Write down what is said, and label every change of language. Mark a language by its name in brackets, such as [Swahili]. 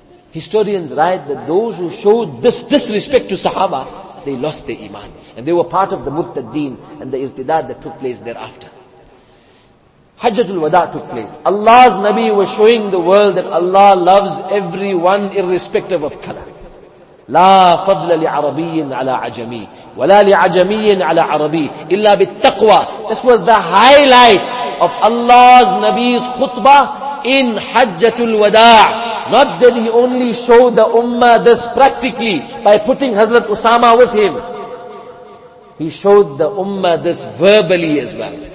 [English] Historians write that those who showed this disrespect to Sahaba, they lost their iman. And they were part of the murtaddeen and the irtidad that took place thereafter. Hajjatul Wada took place. Allah's Nabi was showing the world that Allah loves everyone irrespective of color. [Arabic] لا فضل لعربي على عجمي ولا لعجمي على عربي إلا بالتقوى. [English] This was the highlight of Allah's Nabi's khutbah in Hajjatul Wada'. Not did he only show the ummah this practically by putting Hazrat Usama with him, he showed the ummah this verbally as well.